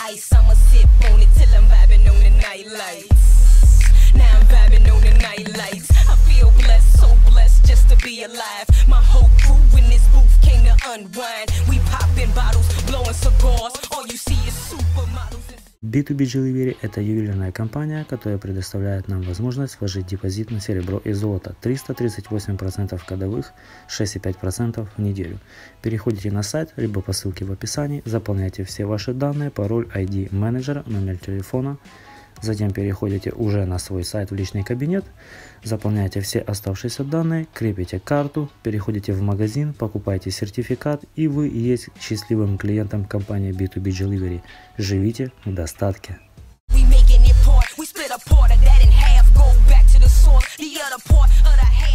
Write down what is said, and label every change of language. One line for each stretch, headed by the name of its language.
English: I'ma sip on it till I'm vibing on the night lights. Now I'm vibing on the night lights. I feel blessed, so blessed just to be alive. My whole crew in this booth came to unwind. We popping bottles, blowing cigars. All you see is supermodels.
Russian: B2B Jewelry – это ювелирная компания, которая предоставляет нам возможность вложить депозит на серебро и золото 338% годовых, 6,5% в неделю. Переходите на сайт, либо по ссылке в описании, заполняйте все ваши данные, пароль, ID менеджера, номер телефона. Затем переходите уже на свой сайт в личный кабинет, заполняете все оставшиеся данные, крепите карту, переходите в магазин, покупаете сертификат, и вы есть счастливым клиентом компании B2B Delivery. Живите в достатке!
English: We making it part, we split a part of that in half, go back to the source, the other part of the half.